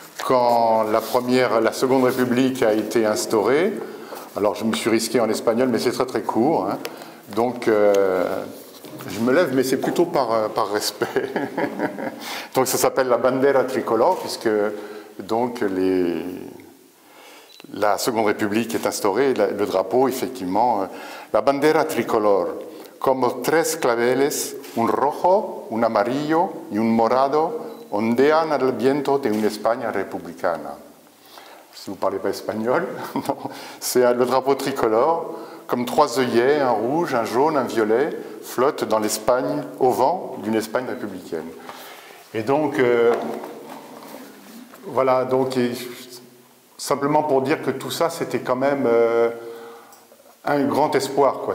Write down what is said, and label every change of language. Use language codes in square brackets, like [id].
[fr] quand la Seconde République a été instaurée, alors je me suis risqué en espagnol, mais c'est très très court, hein. Donc je me lève, mais c'est plutôt par respect. Donc ça s'appelle [es] la bandera tricolore, [fr] puisque donc la Seconde République est instaurée, le drapeau, effectivement. [es] La bandera tricolore, comme tres claveles, un rojo, un amarillo y un morado, ondean al viento de una España republicana. [fr] Si vous ne parlez pas espagnol, non. C'est le drapeau tricolore, comme trois œillets, un rouge, un jaune, un violet, flottent dans l'Espagne, au vent d'une Espagne républicaine. Et donc, voilà, donc, simplement pour dire que tout ça, c'était quand même un grand espoir, quoi.